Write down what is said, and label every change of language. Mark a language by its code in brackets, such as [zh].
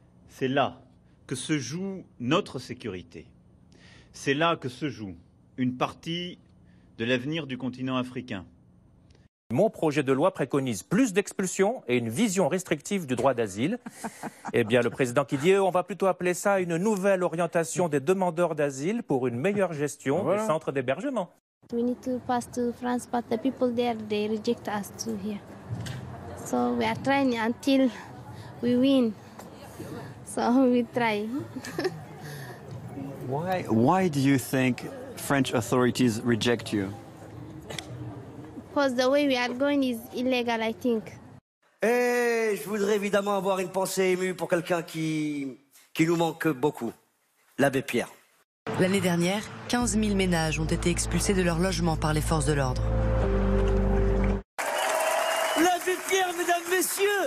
[fr] C'est là que se joue notre sécurité. C'est là que se joue une partie de l'avenir du continent africain. Mon projet de loi préconise plus d'expulsions et une vision restrictive du droit d'asile. Eh bien, le président qui dit, on va plutôt appeler ça une nouvelle orientation des demandeurs d'asile pour une meilleure gestion voilà. Des centres d'hébergement. [en] We need to pass to France, but the people there, they reject us to here. So we are trying until we win. So we try. Why do you think French authorities reject you? Because the way we are going is illegal, I think. [fr] Hey, je voudrais évidemment avoir une pensée émue pour quelqu'un qui nous manque beaucoup, l'abbé Pierre. L'année dernière, 15 000 ménages ont été expulsés de leur logement par les forces de l'ordre. L'abbé Pierre, mesdames, messieurs!